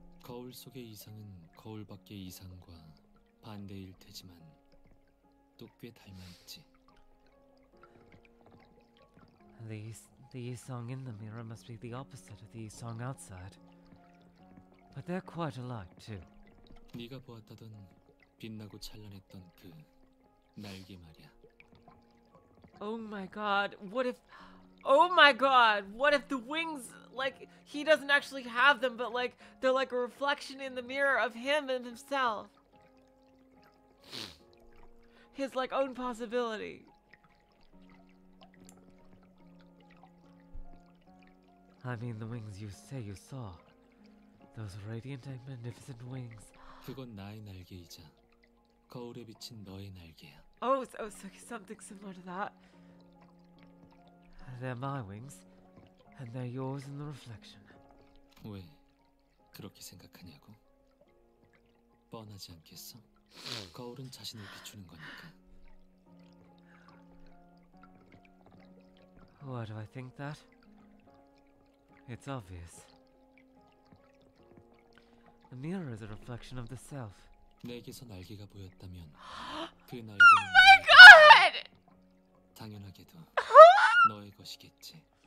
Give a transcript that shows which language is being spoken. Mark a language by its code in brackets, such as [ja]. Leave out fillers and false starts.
[ko] 거울 속의 이상은 거울 밖의 이상과 반대일 테지만 또 꽤 닮아 있지. [en] The Yisang in the mirror must be the opposite of the Yisang outside, but they're quite alike too. [ko] 네가 보았다던 빛나고 찬란했던 그 날개 말이야. [en] Oh my god, what if... Oh my god, what if the wings, like, he doesn't actually have them, but like, they're like a reflection in the mirror of him and himself. His, like, own possibility. I mean, the wings you say you saw. Those radiant and magnificent wings. [ko] 그건 나의 날개이자 거울에 비친 너의 날개야. [en] Oh, so something similar to that. They're my wings, and they're yours in the reflection. [ko] 왜 그렇게 생각하냐고? 뻔하지 않겠어? 거울은 자신을 비추는 거니까. [en] Why do I think that? It's obvious. The mirror is a reflection of the self. [ko] 내게서 날개가 보였다면 그 날개는 [en] Oh my god! [ko] 당연하게도 너의 것이겠지.